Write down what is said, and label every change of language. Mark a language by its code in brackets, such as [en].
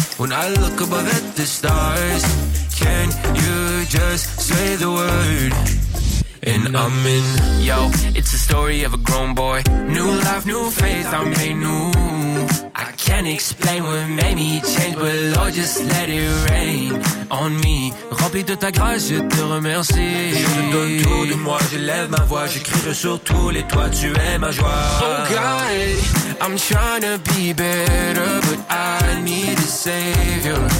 [en] When I look above at the stars, can you just say the word? And I'm in. Yo, it's the story of a grown boy. New life, new faith, I made new. I can't explain what made me change, but Lord, just let it rain on me. [fr] Rempli de ta grâce, je te remercie. Je te donne tout de moi, je lève ma voix. J'écrirai sur tous les toits, tu es ma joie. [en] Oh God, I'm trying to be better, but I need a savior.